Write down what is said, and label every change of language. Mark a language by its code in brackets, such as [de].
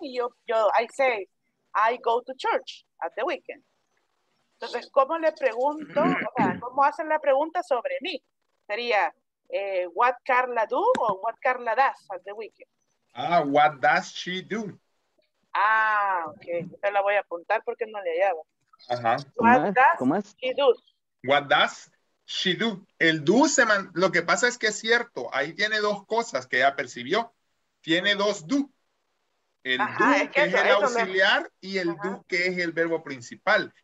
[en] Y I say, I go to church at the weekend. [es] Entonces, ¿cómo le pregunto? O sea, ¿cómo hacen la pregunta sobre mí? Sería, [en] what Carla do or what Carla does at the weekend. Ah, what does she do? Ah, okay. [es] Esta la voy a apuntar porque no le hallaba. Ajá. [en] What does she do? What does she do? [es] El do se man... Lo que pasa es que es cierto. Ahí tiene dos cosas que ella percibió. Tiene dos do. El ajá, do es que eso, es el auxiliar me... y el ajá. Do que es el verbo principal.